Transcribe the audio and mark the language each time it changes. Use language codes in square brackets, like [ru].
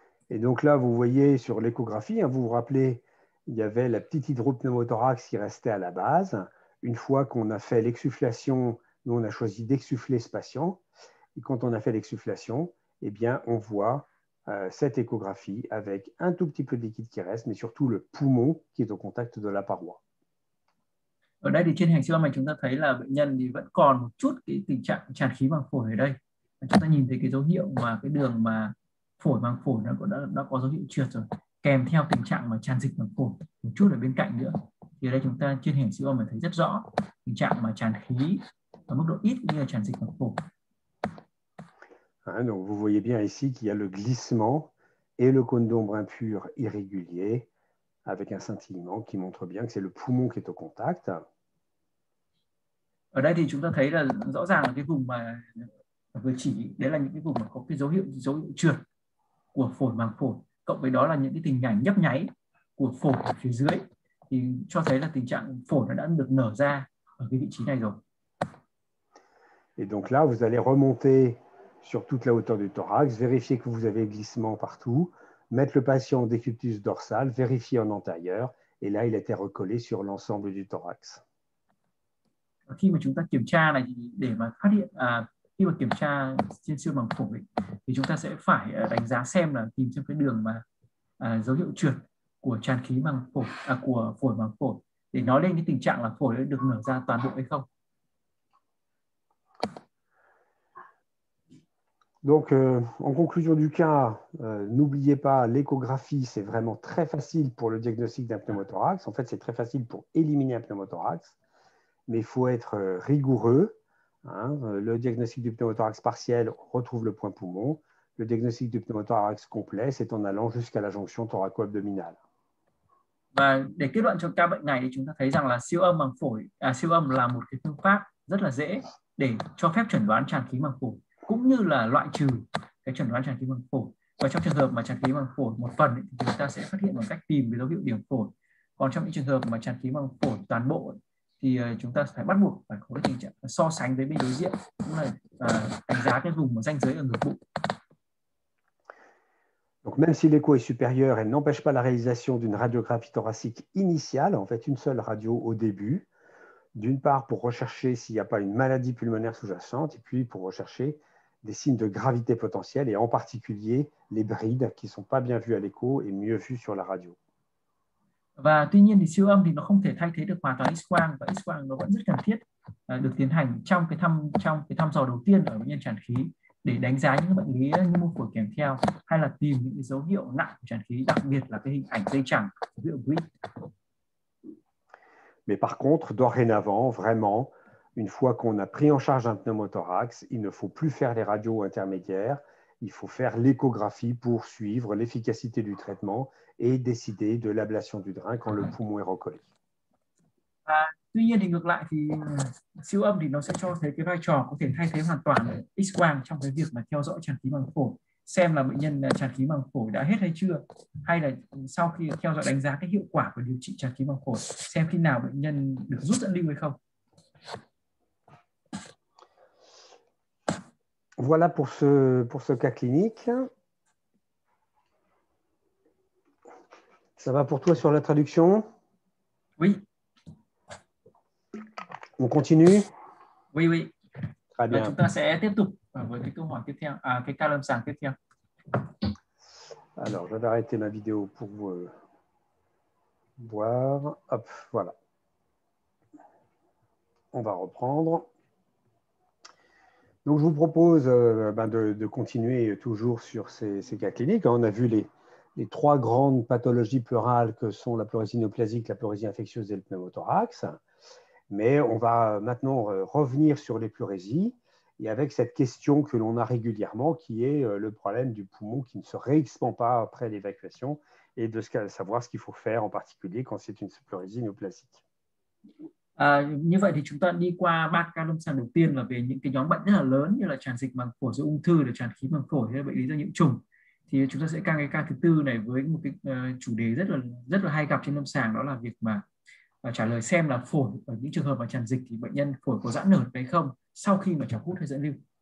[fr] Et donc là, vous voyez sur l'échographie, hein, vous vous rappelez, il y avait la petite hydropneumothorax qui restait à la base. Une fois qu'on a fait l'exsufflation, nous on a choisi d'exsuffler ce patient. Et quand on a fait l'exsufflation, eh bien, on voit cette échographie avec un tout petit peu de liquide qui reste, mais surtout le poumon qui est au contact de la paroi. [vi] Ở đây thì trên hành siêu âm mà chúng ta thấy là bệnh nhân thì vẫn còn một chút cái tình trạng tràn khí màng phổi ở đây. Chúng ta nhìn thấy cái dấu hiệu mà cái đường mà phổi màng phổi nó cũng đã có dấu hiệu trượt rồi, kèm theo tình trạng mà tràn dịch màng phổi một chút ở bên cạnh nữa. Thì ở đây chúng ta trên hành siêu âm mà thấy rất rõ tình trạng mà tràn khí ở mức độ ít như là tràn dịch màng phổi. [fr] Hein, donc vous voyez bien ici qu'il y a le glissement et le cône d'ombre impur irrégulier avec un scintillement qui montre bien que c'est le poumon qui est au contact. [vi] Ở đây thì chúng ta thấy là rõ ràng là cái vùng mà vừa chỉ đấy là những cái vùng mà có cái dấu hiệu trượt của phổi màng phổi, cộng với đó là những cái tình cảnh nhấp nháy của phổi ở phía dưới thì cho thấy là tình trạng phổi nó đã được nở ra ở cái vị trí này rồi. [fr] Et donc là, vous allez remonter sur toute la hauteur du thorax, vérifier que vous avez glissement partout, mettre le patient en décubitus dorsal, vérifier en antérieur, et là, il a été recollé sur l'ensemble du thorax. [vi] Khi mà chúng ta kiểm tra này thì để mà phát hiện khi mà kiểm tra trên siêu âm phổi thì chúng ta sẽ phải đánh giá xem là tìm xem cái đường mà dấu hiệu trượt của tràn khí màng phổi của phổi màng phổi để nói lên cái tình trạng là phổi được nở ra toàn bộ hay không. [fr] Donc, en conclusion du cas, n'oubliez pas, l'échographie, c'est vraiment très facile pour le diagnostic d'un pneumothorax. En fait, c'est très facile pour éliminer un pneumothorax, mais il faut être rigoureux, hein. Le diagnostic du pneumothorax partiel, on retrouve le point poumon. Le diagnostic du pneumothorax complet, c'est en allant jusqu'à la jonction thoraco-abdominale. [vi] Và để kết luận cho ca bệnh này thì chúng ta thấy rằng là siêu âm màng phổi siêu âm là một cái phương pháp rất là dễ để cho phép chẩn đoán tràn khí màng phổi cũng như là loại trừ cái chẩn đoán tràn khí màng phổi, và trong trường hợp mà tràn khí màng phổi một phần thì chúng ta sẽ phát hiện bằng cách tìm cái dấu hiệu điểm phổi, còn trong những trường hợp mà tràn khí màng phổi toàn bộ thì chúng ta phải bắt buộc phải có cái tình trạng so sánh với bên đối diện cũng là đánh giá cái vùng mà ranh giới ở ngực bụng. [fr] Donc même si l'écho est supérieur, elle n'empêche pas la réalisation d'une radiographie thoracique initiale, en fait une seule radio au début, d'une part pour rechercher s'il n'y a pas une maladie pulmonaire sous-jacente, et puis pour rechercher des signes de gravité potentielle, et en particulier les brides qui ne sont pas bien vues à l'écho et mieux vues sur la radio. [vi] Và tuy nhiên thì siêu âm thì nó không thể thay thế được hoàn toàn X quang, và X quang nó vẫn rất cần thiết được tiến hành trong cái thăm dò đầu tiên ở bệnh nhân tràn khí để đánh giá những bệnh lý nhu mô phổi kèm theo hay là tìm những cái dấu hiệu nặng của tràn khí, đặc biệt là cái hình ảnh dây chẳng dấu hiệu. [fr] Mais par contre, dorénavant, vraiment, une fois qu'on a pris en charge un pneumothorax, il ne faut plus faire les radios intermédiaires, il faut faire l'échographie pour suivre l'efficacité du traitement et décider de l'ablation du drain quand le poumon est recollé. [vi] Tuy nhiên thì ngược lại thì siêu âm thì nó sẽ cho thấy cái vai trò có thể thay thế hoàn toàn X quang trong cái việc mà theo dõi tràn khí màng phổi, xem là bệnh nhân tràn khí màng phổi đã hết hay chưa, hay là sau khi theo dõi đánh giá cái hiệu quả của điều trị tràn khí màng phổi, xem khi nào bệnh nhân được rút dẫn lưu hay không. [fr] Voilà pour ce cas clinique. Ça va pour toi sur la traduction? Oui. On continue? Oui. Très [vi] Là [fr] bien. [vi] chúng ta sẽ tiếp tục với cái câu hỏi tiếp theo, cái cas lâm sàng tiếp theo. [fr] Alors, j'avais arrêté ma vidéo pour vous voir. Hop, voilà. On va reprendre. Donc, je vous propose de continuer toujours sur ces cas cliniques. On a vu les trois grandes pathologies pleurales que sont la pleurésie néoplasique, la pleurésie infectieuse et le pneumothorax. Mais on va maintenant revenir sur les pleurésies et avec cette question que l'on a régulièrement, qui est le problème du poumon qui ne se réexpand pas après l'évacuation, et de savoir ce qu'il faut faire, en particulier quand c'est une sclérose néoplastique. [vi] Như vậy thì chúng ta đi qua ba ca lâm sàng đầu tiên là về những cái nhóm bệnh rất là lớn như là tràn dịch màng phổi, rồi ung thư, rồi tràn khí màng phổi hay bệnh lý do nhiễm trùng. Thì chúng ta sẽ sang cái ca thứ tư này với một cái chủ đề rất là hay gặp trên lâm sàng, đó là việc mà trả lời xem là phổi ở những trường hợp mà tràn dịch thì bệnh nhân phổi có giãn nở hay không sau khi mà chọc hút hay dẫn lưu.